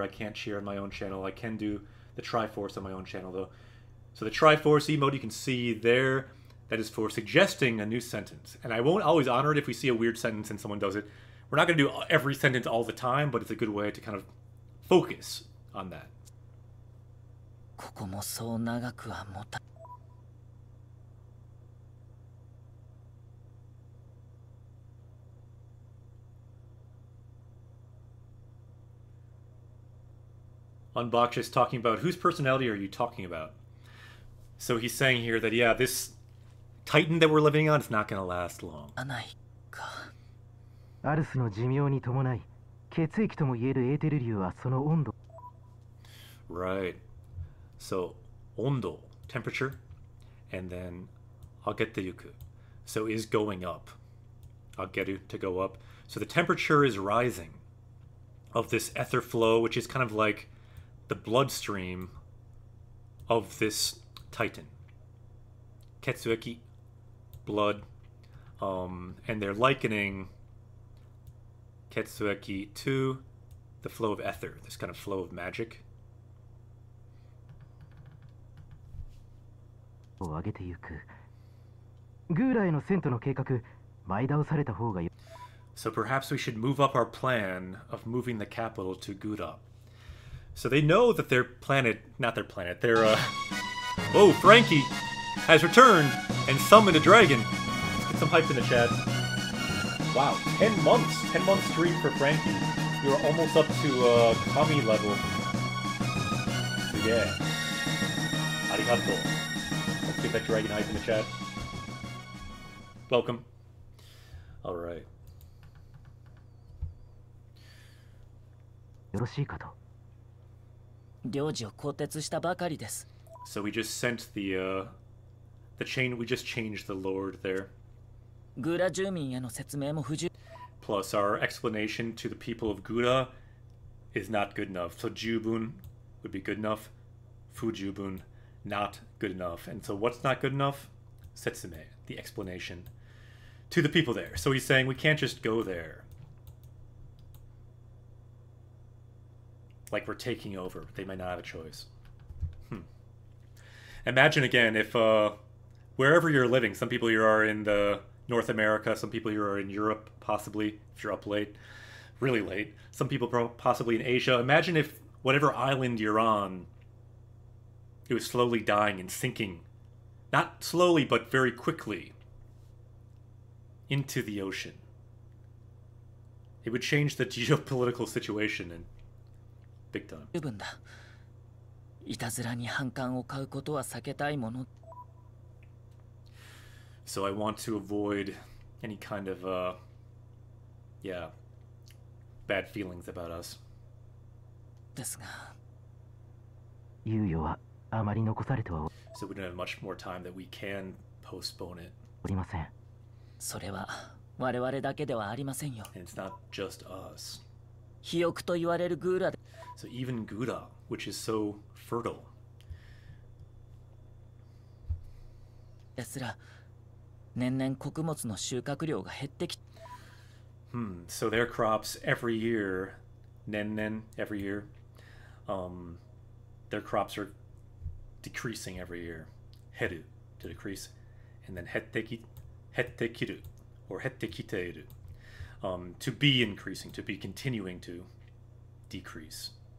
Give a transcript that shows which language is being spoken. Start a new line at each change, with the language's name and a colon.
English: I can't cheer on my own channel. I can do the Triforce on my own channel, though. So the Triforce emote, you can see there, that is for suggesting a new sentence. And I won't always honor it if we see a weird sentence and someone does it. We're not going to do every sentence all the time, but it's a good way to kind of focus on that.
Japanese: ここもそう長くは持た。
English: Unbox is talking about whose personality are you talking about? So he's saying here that, yeah, this Titan that we're living on is not going to last long.
Japanese: ないか。アルスの寿命に伴い、血液とも言えるエーテル流はその温度。
English: Right. So, ondo, temperature, and then agete-yuku. So, is going up. Ageru, to go up. So, the temperature is rising of this ether flow, which is kind of like the bloodstream of this Titan. Ketsueki, blood. And they're likening Ketsueki to the flow of ether, this kind of flow of magic.
Japanese: を上げていく。グーラへの遷都の計画、前倒された方がよ。
English: So perhaps we should move up our plan of moving the capital to Gura. So they know that their planet, not their planet, their, Oh, Frankie has returned and summoned a dragon. Let's get some hype in the chat. Wow, 10 months. 10 months stream for Frankie. You're almost up to, Kami level. So yeah. Arigato. Get that dragon hype in the chat. Welcome. All right.
Japanese: よろしいかと。領事を更迭したばかりです。
English: So we just sent the chain. We just changed the lord there.
Japanese: グーラ住民への説明も不十。
English: Plus, our explanation to the people of Gura is not good enough. So, 十分 would be good enough. 不十分 not good enough. And so what's not good enough? Setsume, the explanation to the people there. So he's saying we can't just go there. Like we're taking over. They might not have a choice. Imagine again if wherever you're living, some people here are in the North America, some people here are in Europe, possibly, if you're up late, really late. Some people possibly in Asia. Imagine if whatever island you're on, it was slowly dying and sinking, not slowly, but very quickly into the ocean. It would change the geopolitical situation and big time.
Japanese: 十分だ。いたずらに反感を買うことは避けたいもの。
English: So I want to avoid any kind of, bad feelings about us.
Japanese: ですが、猶予は。あまり残されては。
English: So we don't have much more time that we can postpone it.
Japanese: おりません。それは我々だけではありませんよ。
English: And it's not just us.
Japanese: 肥沃と言われるグーラ。
English: So even Gura, which is so fertile.
Japanese: ですら、年々穀物の収穫量が減ってき。
English: So their crops every year, 年々 every year, their crops are decreasing every year. Heru, to decrease. And then hettekiru, or hettekiteiru. To be increasing, to be continuing to decrease.